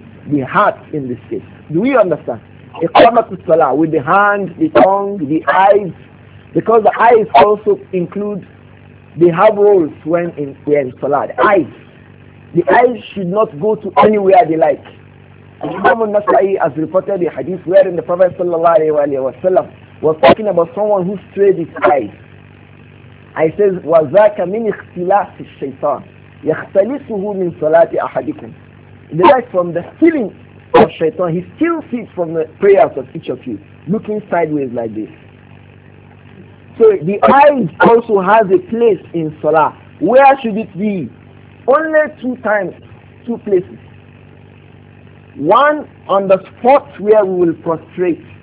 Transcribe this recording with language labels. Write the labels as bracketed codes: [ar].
[en] The heart in this case. Do we understand? Iqamatu Salah, with the hand, the tongue, the eyes, because the eyes also include, they have roles when in Salah. The eyes should not go to anywhere they like. Imam al-Nasa'i has reported the hadith wherein the Prophet sallallahu alayhi wa sallam was talking about someone who strayed his eyes. I says, [ar] وَذَاكَ مِنْ اِخْتِلَاسِ الشَّيْطَانِ يَخْتَلِسُهُ مِنْ صَلَاتِ أَحَدِكُمْ. [en] The light from the stealing of shaitan, he steals it from the prayers of each of you, looking sideways like this. So the eyes also has a place in salah. Where should it be? Only two times, two places. One, on the spot where we will prostrate.